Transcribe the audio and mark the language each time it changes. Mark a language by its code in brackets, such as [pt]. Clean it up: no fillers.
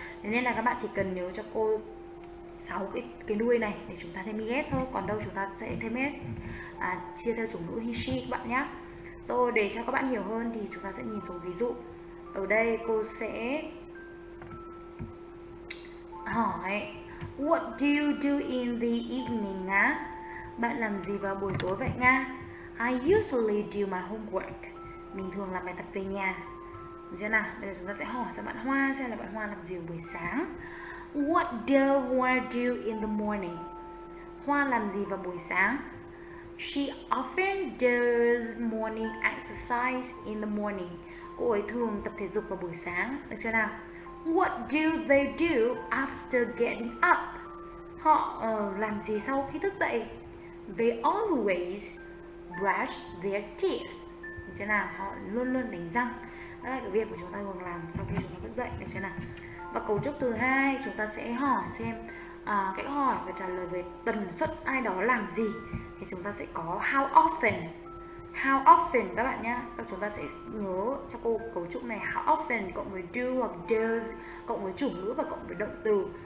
[vi] Thế nên là các bạn chỉ cần nhớ cho cô 6 cái đuôi này để chúng ta thêm es thôi, còn đâu chúng ta sẽ thêm s chia theo chủ ngữ he she các bạn nhé. Rồi để cho các bạn hiểu hơn thì chúng ta sẽ nhìn xuống ví dụ. Ở đây cô sẽ hỏi [en] what do you do in the evening [vi] nga? Bạn làm gì vào buổi tối vậy nga? [en] I usually do my homework. [vi] Mình thường làm bài tập về nhà. Được chưa nào? Bây giờ chúng ta sẽ hỏi cho bạn Hoa xem là bạn Hoa làm gì buổi sáng. [en] What do Hoa do in the morning? [vi] Hoa làm gì vào buổi sáng? [en] She often does morning exercise in the morning. [vi] Cô ấy thường tập thể dục vào buổi sáng. Được chưa nào? [en] What do they do after getting up? [vi] Họ làm gì sau khi thức dậy? [en] They always brush their teeth. [vi] Được chưa nào? Họ luôn luôn đánh răng. Đó là cái việc của chúng ta thường làm sau khi chúng ta thức dậy. Được chưa nào? Và cấu trúc thứ hai, chúng ta sẽ hỏi xem cách hỏi và trả lời về tần suất ai đó làm gì. Thì chúng ta sẽ có how often. How often các bạn nhá. Các chúng ta sẽ nhớ cho cô cấu trúc này, how often cộng với do hoặc does, cộng với chủ ngữ và cộng với động từ.